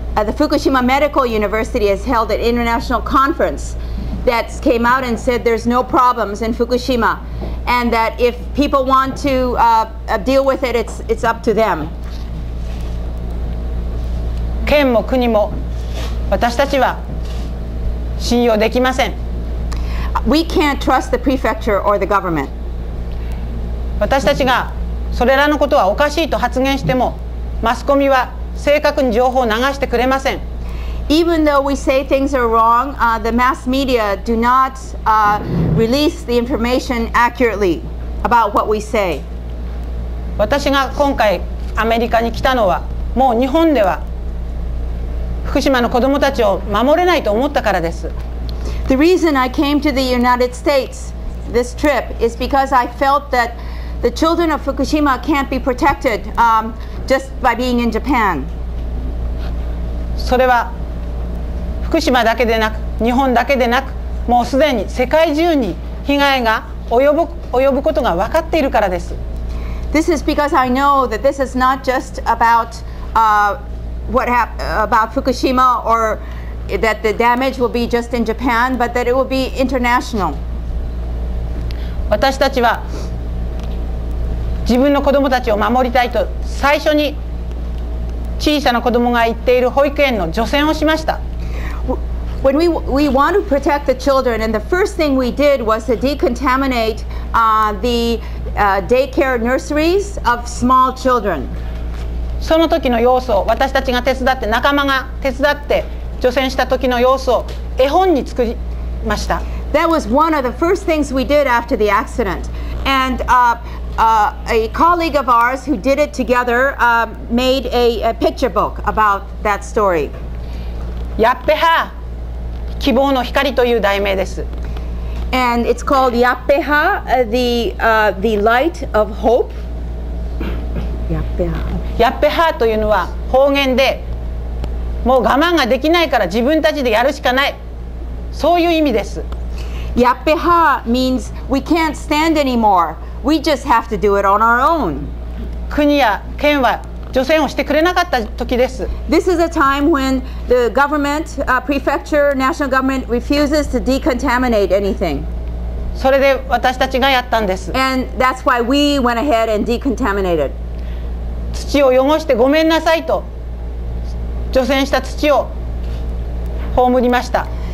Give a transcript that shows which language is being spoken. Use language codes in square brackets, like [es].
[en] The Fukushima Medical University has held an international conference that came out and said there's no problems in Fukushima and that if people want to deal with it, it's up to them. [ja] 県も国も私たちは信用できません。 [en] We can't trust the prefecture or the government. [ja] 私たちがそれらのことはおかしいと発言しても、マスコミは正確に情報を流してくれません。 [en] Even though we say things are wrong, the mass media do not release the information accurately about what we say. [ja] 私が今回アメリカに来たのは、もう日本では福島の子どもたちを守れないと思ったからです。 [en] The reason I came to the United States this trip is because I felt that the children of Fukushima can't be protected. Just by being in Japan. [ja] それは福島だけでなく日本だけでなくもうすでに世界中に被害が及ぶことが分かっているからです。 [en] This is because I know that this is not just about about Fukushima or that the damage will be just in Japan, but that it will be international. [ja] 私たちは自分の子どもたちを守りたいと最初に小さな子どもが行っている保育園の除染をしました。 [en] When we want to protect the children, and the first thing we did was to decontaminate daycare nurseries of small children. [ja] その時の様子を私たちが手伝って仲間が手伝って除染した時の様子を絵本に作りました。 [en] That was one of the first things we did after the accident, and a colleague of ours who did it together made a picture book about that story. [ja] やっぺは希望の光という題名です。 [en] And it's called やっぺは the light of hope. [ja] やっぺは。やっぺはというのは方言で、もう我慢ができないから自分たちでやるしかない、そういう意味です。 [en] やっぺは means we can't stand anymore. We just have to do it on our own. [ja] 国や県は除染をしてくれなかった時です。 [en] This is a time when the government, prefecture, national government refuses to decontaminate anything. [ja] それで私たちがやったんです。 [en] And that's why we went ahead and decontaminated. [ja] 土を汚してごめんなさいと除染した土を葬りました。